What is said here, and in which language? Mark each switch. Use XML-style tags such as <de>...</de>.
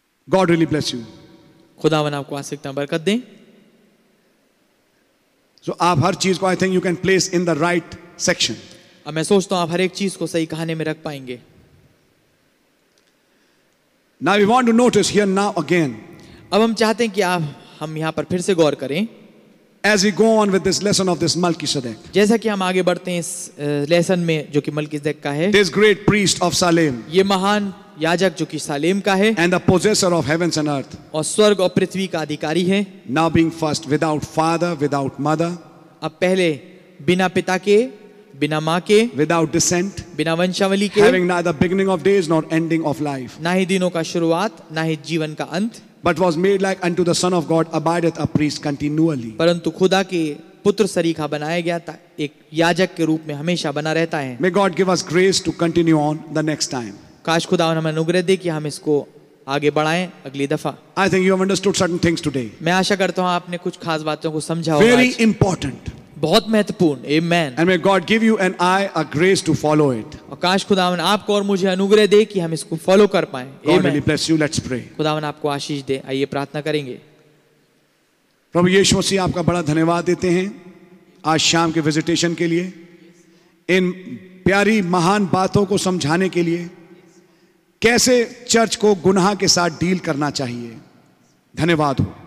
<en>God really bless you.</en> <hi>खुदावन आपको आशीषता बरकत दें।</hi> <en>so</en> <hi>आप हर चीज को</hi> <en>I think you can place in the right section.</en> <hi>अब मैं सोचता हूं आप हर एक चीज को सही कहने में रख पाएंगे।</hi> <en>Now we want to notice here now again.</en> <hi>अब हम चाहते हैं कि आप हम यहां पर फिर से गौर करें।</hi> <en>As we go on with this lesson of this Melchizedek.</en> <hi>जैसा कि हम आगे बढ़ते हैं इस लेसन में जो कि मलकीसदेक का है।</hi> <en>This great priest of Salem.</en> <hi>ये महान याजक जो कि सालेम का है।</hi> <en>And the possessor of heavens and earth.</en> <hi>और स्वर्ग और पृथ्वी का अधिकारी है।</hi> <en>Now being first without father, without mother.</en> <hi>अब पहले बिना पिता के, बिना माँ के,</hi> <en>without descent,</en> <hi>बिना वंशावली के,</hi> <en>having neither beginning of days nor ending of life,</en> <hi>ना ही दिनों का शुरुआत, ना ही जीवन का अंत,</hi> <en>but was made like unto the Son of God, abideth a priest continually,</en> <hi>परंतु खुदा के पुत्र सरीखा बनाया गया था, एक याजक के रूप में हमेशा बना रहता है।</hi> <en>May God give us grace to continue on the next time.</en> <hi>काश खुदा हमें अनुग्रह दे कि हम इसको आगे बढ़ाएं अगली दफा।</hi> <en>I think you have understood certain things today.</en> <hi>मैं आशा करता हूँ आपने कुछ खास बातों को समझा।</hi> <en>Very important.</en> <hi>बहुत महत्वपूर्ण। Amen.</hi> <en>And may God give you and I a grace to follow it.</en> <hi>और काश खुदावन आपको और मुझे अनुग्रह दे कि हम इसको फॉलो कर पाएं।</hi> <en>God really bless you. Let's pray.</en> <hi>खुदावन आपको आशीष दे। आइए प्रार्थना करेंगे। प्रभु यीशु मसीह, आपका बड़ा धन्यवाद देते हैं आज शाम के विजिटेशन के लिए, इन प्यारी महान बातों को समझाने के लिए, कैसे चर्च को गुनाह के साथ डील करना चाहिए। धन्यवाद हो।</hi>